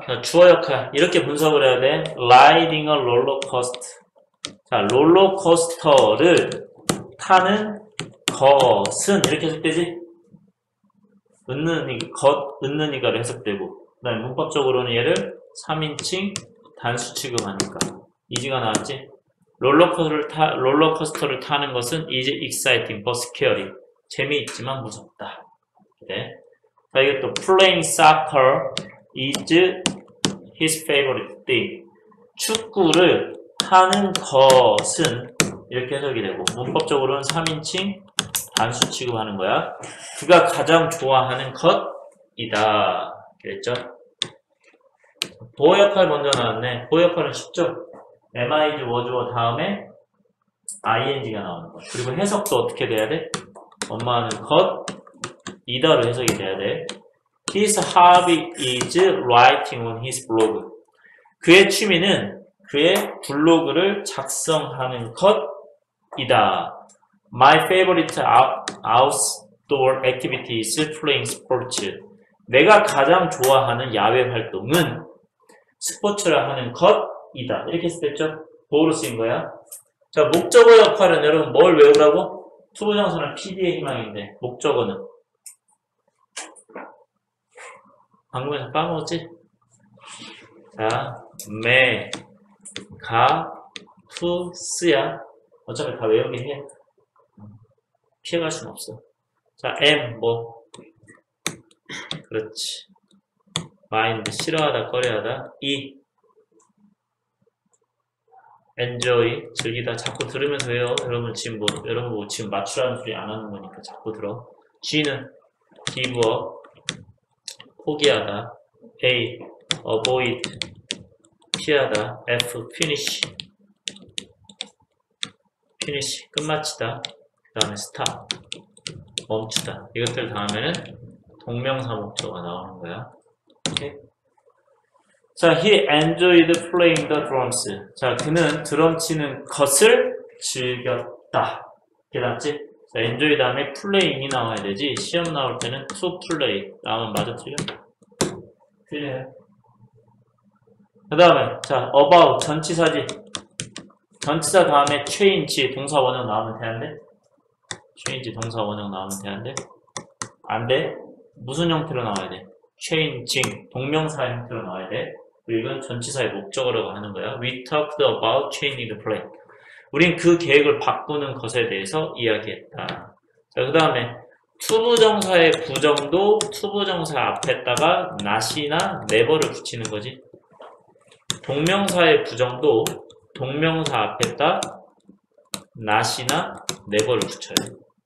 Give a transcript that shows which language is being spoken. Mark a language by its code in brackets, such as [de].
[ko] 자, 주어 역할. 이렇게 분석을 해야 돼. [en] Riding a roller coaster. [ko] 자, 롤러코스터를 타는 것은. 이렇게 해석되지? 것, 은느니가로 해석되고. 그다음에 문법적으로는 얘를 3인칭 단수 취급하니까. 이지가 나왔지? 롤러코스터를 타는 것은 [en] is exciting but scary. [ko] 재미있지만 무섭다. 그래. 자, 이것도 [en] playing soccer. is his favorite thing. [ko] 축구를 하는 것은 이렇게 해석이 되고 문법적으로는 3인칭 단수 취급하는 거야. 그가 가장 좋아하는 것이다. 그랬죠? 보어 역할 먼저 나왔네. 보어 역할은 쉽죠? am, is, was, were 다음에 ing가 나오는 거. 그리고 해석도 어떻게 돼야 돼? 엄마는 것이다로 해석이 돼야 돼. [en] His hobby is writing on his blog. [ko] 그의 취미는 그의 블로그를 작성하는 것이다. 이다. [en] My favorite outdoor activity is playing sports. [ko] 내가 가장 좋아하는 야외 활동은 스포츠를 하는 것이다. 이렇게 했을 때죠. 보어로 쓰인 거야. 자, 목적어 역할은 여러분 뭘 외우라고? 투부정사는 PD의 희망인데 목적어는 방금 전에 까먹었지? 자, 매, 가, 투, 쓰야. 어차피 다 외우긴 해. 피해갈 순 없어. 자, M, 뭐. 그렇지. Mind, 싫어하다, 꺼려하다. E, enjoy, 즐기다. 자꾸 들으면서 해요. 여러분 지금 뭐, 여러분 뭐 지금 맞추라는 소리 안 하는 거니까 자꾸 들어. G는 give up, 포기하다. A, avoid, 피하다. F, finish, 끝마치다. 그 다음에 stop, 멈추다. 이것들 다음에는 동명사 목적어가 나오는 거야. 오케이. [en] 자, he enjoyed playing the drums. [ko] 자, 그는 드럼 치는 것을 즐겼다. 깨닫지? 자, enjoy 다음에 playing이 나와야 되지. 시험 나올 때는 to play. 나오면 맞아, 틀려? 틀려요. 그 다음에, 자, about, 전치사지. 전치사 다음에 change, 동사 원형 나오면 되는데? change, 동사 원형 나오면 되는데? 안 돼? 무슨 형태로 나와야 돼? changing, 동명사 형태로 나와야 돼? 그리고 이건 전치사의 목적으로 하는 거야. [en] We talked about changing the plan. [ko] 우린 그 계획을 바꾸는 것에 대해서 이야기했다. 자, 그 다음에, 투부정사의 부정도 투부정사 앞에다가 not이나 never를 붙이는 거지. 동명사의 부정도 동명사 앞에다 not이나 never를 붙여요.